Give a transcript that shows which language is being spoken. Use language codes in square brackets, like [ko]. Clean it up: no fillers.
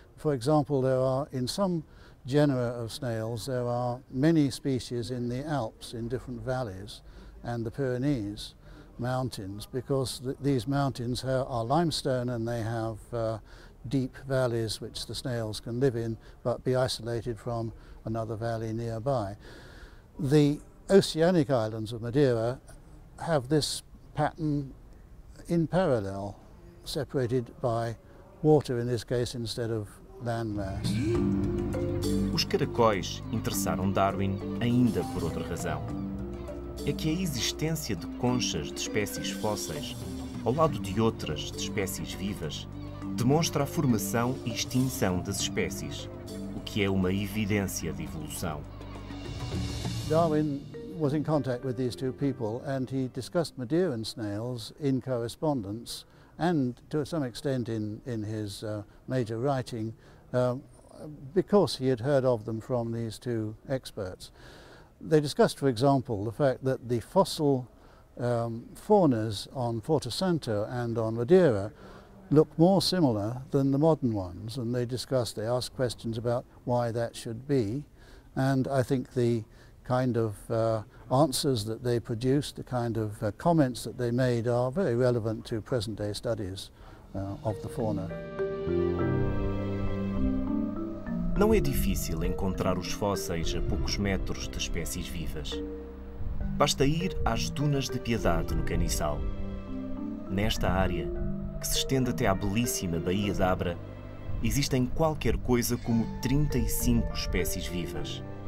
[en] For example, there are in some genera of snails, there are many species in the Alps, in different valleys, and the Pyrenees mountains, because these mountains are limestone and they have deep valleys which the snails can live in, but be isolated from another valley nearby. The oceanic islands of Madeira have this pattern in parallel, separated by water in this case instead of land mass. [pt] Os caracóis interessaram Darwin ainda por outra razão. É que a existência de conchas de espécies fósseis, ao lado de outras de espécies vivas, demonstra a formação e extinção das espécies, o que é uma evidência de evolução. [en] Darwin was in contact with these two people and he discussed Madeiran snails in correspondence and to some extent in his major writing. Because he had heard of them from these two experts. They discussed, for example, the fact that the fossil faunas on Porto Santo and on Madeira look more similar than the modern ones, and they asked questions about why that should be, and I think the kind of answers that they produced, the kind of comments that they made are very relevant to present-day studies of the fauna. [pt] Não é difícil encontrar os fósseis a poucos metros de espécies vivas. Basta ir às Dunas de Piedade, no Caniçal. Nesta área, que se estende até à belíssima Baía de Abra, existem qualquer coisa como 35 espécies vivas.